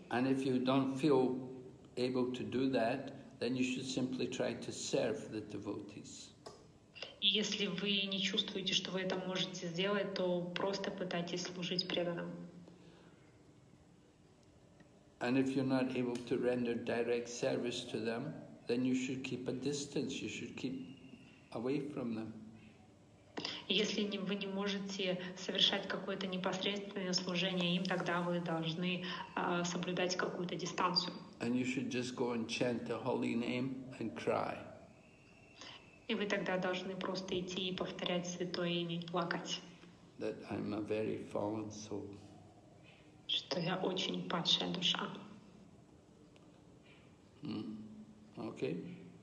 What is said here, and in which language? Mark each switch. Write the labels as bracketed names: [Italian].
[English] And if you don't feel able to do that, then you should simply try to serve the devotees. [Russian] Если вы не чувствуете, что вы это можете сделать, то просто пытайтесь служить преданным. [English] And if you're not able to render direct service to them, then you should keep a distance, you should keep away from them. [Russian] Если вы не можете совершать какое-то непосредственное служение им, тогда вы должны соблюдать какую-то дистанцию. [English] And you should just go and chant the holy name and cry. [Russian] И вы тогда должны просто идти и повторять святое имя и плакать. [English] That I'm a very fallen soul. [Russian] Что я очень падшая душа. [English] Okay.